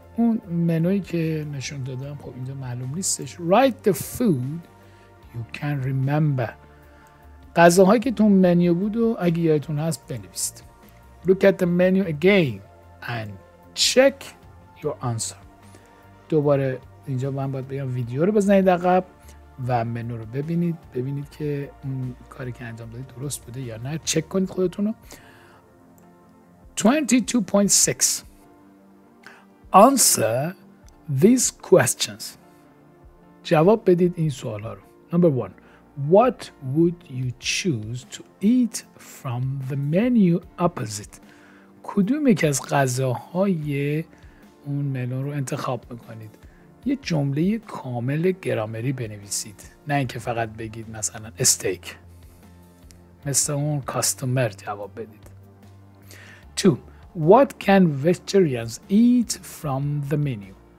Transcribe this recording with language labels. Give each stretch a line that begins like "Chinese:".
Persian: اون منوی که نشون دادم خب اینجا معلوم نیستش.
English: Write the food you can remember.
Persian: غذاهایی که تو منیو بود و اگه یادتون هست بنویسید.
English: Look at the menu again and check your answer.
Persian: دوباره اینجا من باید بگم ویدیو رو بزنید عقب و منو رو ببینید. ببینید که اون کاری که انجام دادید درست بوده یا نه. چک کنید خودتون رو. 22.6
English: Answer these questions.
Persian: جواب بدید این سوال ها رو.
English: Number one. What would you choose to eat from the menu opposite?
Persian: کدوم یکی از غذاهای اون منو رو انتخاب میکنید؟ یه جمله کامل گرامری بنویسید. نه اینکه فقط بگید مثلا steak. مثل اون customer جواب بدید.
English: 2. What can vegetarians eat from the menu?